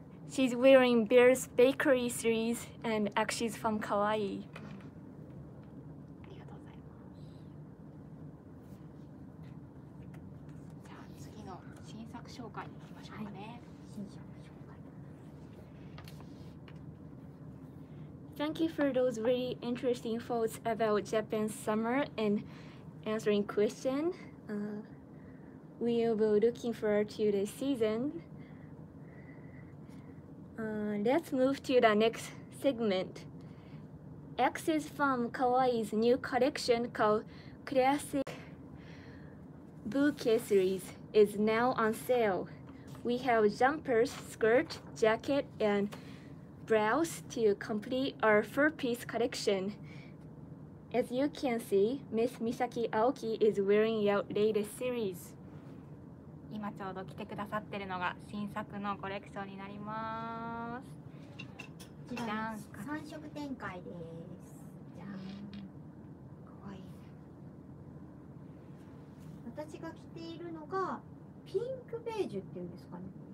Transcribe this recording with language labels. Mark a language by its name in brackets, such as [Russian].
[English] She's wearing Bear's Bakery series and Axie's Farm Kawaii. [Japanese] ありがとうございます。じゃあ次の新作紹介いきましょうね。 [English] Thank you for those really interesting thoughts about Japan's summer and answering question. We will be looking forward to the season. Let's move to the next segment. Axie's Farm Kawaii's new collection called Classic Bouquet Series is now on sale. We have jumpers, skirt, jacket, andblouse to complete our four-piece collection. As you can see, Miss Misaki Aoki is wearing your latest series. [Japanese] 今ちょうど来てくださってるのが新作のコレクションになります。じゃん、三色展開です。じゃん、かわいい。私が着ているのがピンクベージュっていうんですかね。